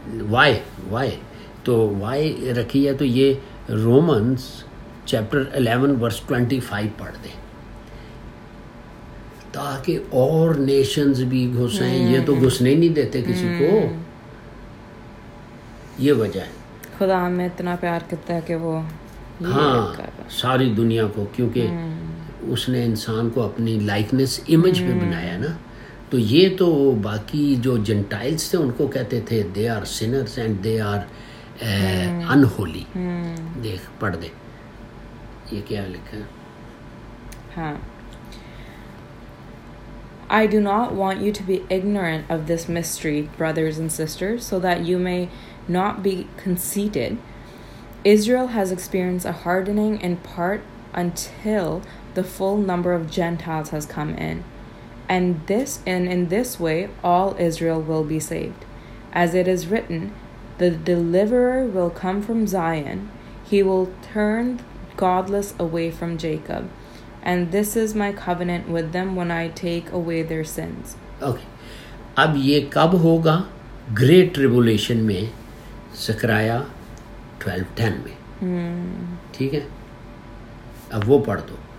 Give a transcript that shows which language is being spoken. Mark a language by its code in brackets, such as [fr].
[ur] وائے رکھی ہے, تو یہ رومنز چیپٹر 11:25 پڑھ دیں, تاکہ اور نیشنز بھی گھسیں. یہ تو گھسنے نہیں دیتے کسی کو, یہ وجہ ہے. خدا ہمیں اتنا پیار کرتا ہے کہ وہ ہاں ساری دنیا کو, کیونکہ اس نے انسان کو اپنی لائکنس امیج میں بنایا نا. تو یہ تو باقی جو جنٹائلز تھے ان کو کہتے تھے [en] They are sinners and they are unholy. [ur] دیکھ, پڑھ دے یہ کیا لکھا ہے. [en] ہاں, I do not want you to be ignorant of this mystery, brothers and sisters, so that you may not be conceited. Israel has experienced a hardening in part until the full number of Gentiles has come in. And in this way, all Israel will be saved. As it is written, the deliverer will come from Zion. He will turn godless away from Jacob. And this is my covenant with them when I take away their sins. Okay. [ur] اب یہ کب ہوگا؟ Great Tribulation میں, زکریہ 12:10 میں. ٹھیک ہے, اب وہ پڑھ دو.